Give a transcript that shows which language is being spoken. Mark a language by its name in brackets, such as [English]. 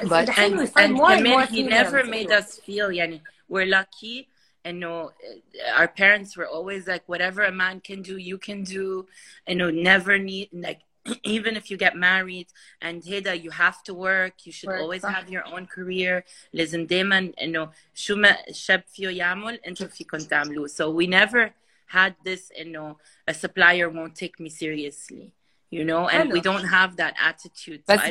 [English] But, and Kamil, he never made us feel, يعني, we're lucky, and you know, our parents were always like, whatever a man can do, you can do, you know, never need, like, even if you get married and Heda, you have to work, you should work. Always have your own career. [Arabic] لازم دايما انه شو ما شاب فيو يعمل انتو فيكن تعملو. [English] So we never had this, you know, a supplier won't take me seriously, you know, and we don't have that attitude.